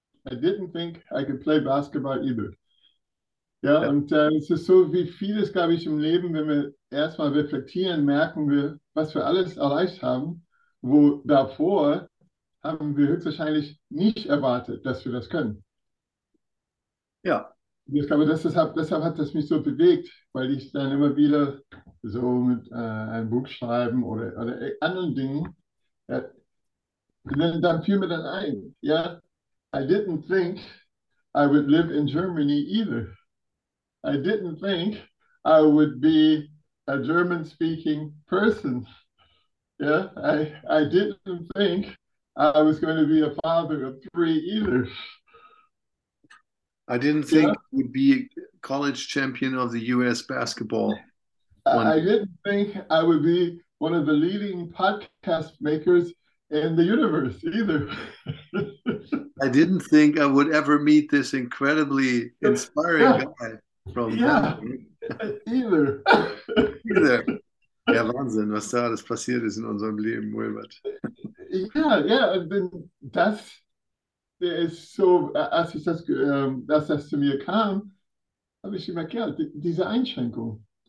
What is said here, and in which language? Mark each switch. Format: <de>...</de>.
<en>I didn't think I could play basketball either.</en> <de>Ja, und es ist so wie vieles, glaube ich, im Leben, wenn wir erstmal reflektieren, merken wir, was wir alles erreicht haben. Wo davor haben wir höchstwahrscheinlich nicht erwartet, dass wir das können. Ja. Ich glaube, deshalb hat das mich so bewegt, weil ich dann immer wieder so mit einem Buch schreiben oder anderen Dingen, dann fiel mir dann ein, ja,</de> <en>yeah, I didn't think I would live in Germany either. I didn't think I would be a German-speaking person. Yeah, I didn't think I was going to be a father of three either. I didn't think Yeah. it would be college champion of the US basketball one I day. didn't think I would be one of the leading podcast makers in the universe either. I didn't think I would ever meet this incredibly inspiring guy from Yeah, Denmark. either. Either.</en> <de>Ja, Wahnsinn, was da alles passiert ist in unserem Leben, Wilbert. Ja, und Der ist so, als ich das, dass das zu mir kam, habe ich immer gehört, diese Einschränkung.</de>